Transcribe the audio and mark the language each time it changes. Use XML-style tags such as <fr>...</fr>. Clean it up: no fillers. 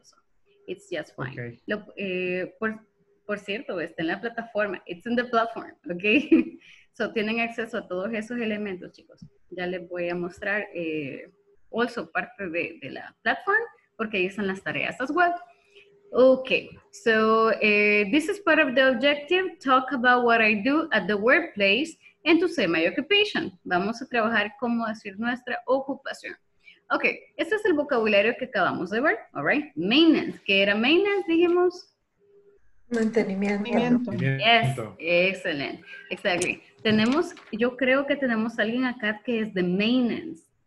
<en>So, it's just fine. Okay.</en> <es>Por cierto, está en la plataforma.</es> <en>It's in the platform, okay?</en> <es>So, tienen acceso a todos esos elementos, chicos. Ya les voy a mostrar also parte de la platform, porque ahí están las tareas</es> <en>as well. Okay, so this is part of the objective. Talk about what I do at the workplace and to say my occupation.</en> <es>Vamos a trabajar cómo decir nuestra ocupación. Okay, este es el vocabulario que acabamos de ver.</es> <en>All right, maintenance.</en> <es>¿Qué era</es> <en>maintenance?</en> <es>Dijimos... Mantenimiento.</es> <en>Yes, excellent. Exactly.</en> <es>Yo creo que tenemos alguien acá que es de maintenance.</es>